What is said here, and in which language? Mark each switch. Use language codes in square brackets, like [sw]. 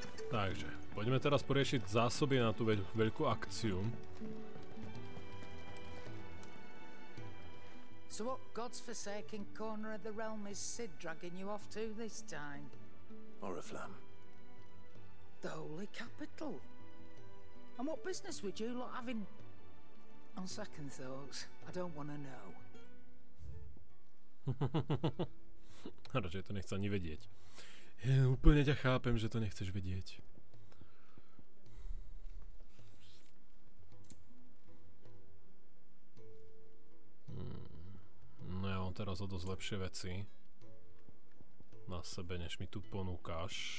[sk] Takže, poďme teraz poriešiť zásoby na tú veľkú akciu. [en] So what God's forsaken corner of the realm is Sid dragging you off to this time? Oriflam. The holy capital. And what business would you lot have in... On second thoughts, I don't want to know. [sk] Radšej to nechce ani vedieť. Ja úplne ťa chápem, že to nechceš vedieť. No ja mám teraz o dosť lepšie veci na sebe, než mi tu ponúkaš.